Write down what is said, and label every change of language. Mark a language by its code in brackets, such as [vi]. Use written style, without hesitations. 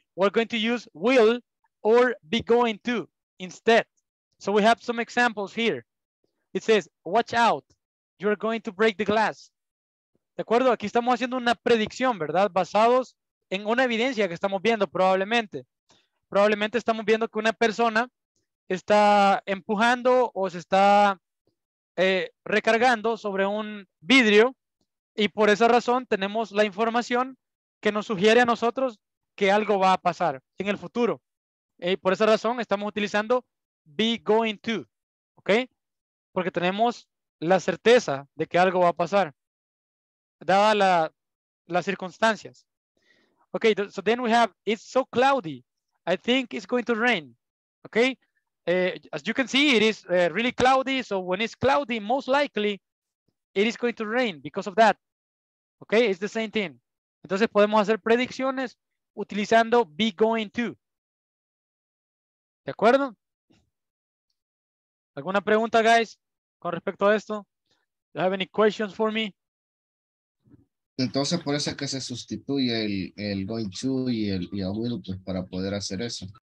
[en] We're going to use will or be going to instead. So we have some examples here. It says, watch out, you're going to break the glass. [es] ¿De acuerdo? Aquí estamos haciendo una predicción, ¿verdad? Basados en una evidencia que estamos viendo probablemente. Probablemente estamos viendo que una persona está empujando o se está recargando sobre un vidrio y por esa razón tenemos la información que nos sugiere a nosotros que algo va a pasar en el futuro. Y por esa razón estamos utilizando be going to, ¿ok? Porque tenemos la certeza de que algo va a pasar, dada las circunstancias. [en] Okay, so then we have, it's so cloudy, I think it's going to rain, okay? As you can see, it is really cloudy, so when it's cloudy, most likely, it is going to rain because of that, okay? It's the same thing. [es] Entonces podemos hacer predicciones utilizando be going to, ¿de acuerdo? ¿Alguna pregunta, guys, con respecto a esto? [en] Do you have any questions for me? [es] Entonces, por eso es que se sustituye el going to y el will, pues, para poder hacer eso.